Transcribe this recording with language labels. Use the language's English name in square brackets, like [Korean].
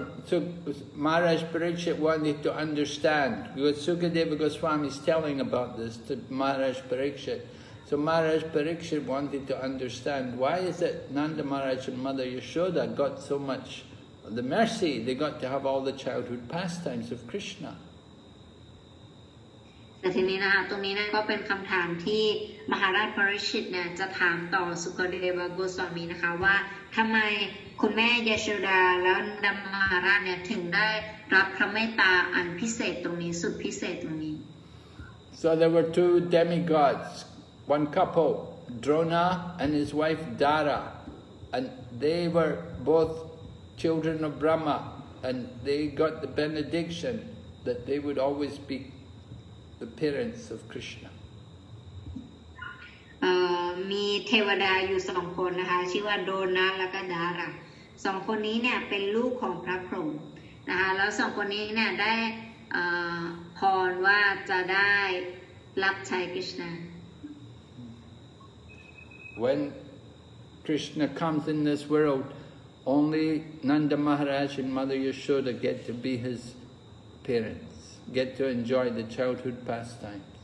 [English] So Maharaj Parikshit wanted to understand because Sukadeva Goswami is telling about this to Maharaj Parikshit. So Maharaj Parikshit wanted to understand why is it Nanda Maharaj and Mother Yashoda got so much the mercy they got to have all the childhood pastimes of Krishna. [Thai] แต่ ที นี้ นะคะตรงนี้ ก็เป็นคำถามที่ Maharaj Parikshit เนี่ยจะถามต่อ Sukadeva Goswami นะคะว่าทำไมคุณแม่ยโสดาและนันดามหาราชเนี่ยถึงได้รับพระเมตตาอันพิเศษตรงนี้สุดพิเศษตรงนี้ [English] So So there were two demigods, one couple, Drona and his wife Dara, and they were both children of Brahma, and they got the benediction that they would always be the parents of Krishna. [Thai] มีเทวดาอยู่สองคนนะคะชื่อว่าโดนาและก็ดาราสองคนนี้เนี่ยเป็นลูกของพระพรหมนะคะแล้วสองคนนี้เนี่ยได้พรว่าจะได้รับใช้กฤษณา [English] When Krishna comes in this world only Nanda Maharaj and Mother Yashoda get to be his parents get to enjoy the childhood pastime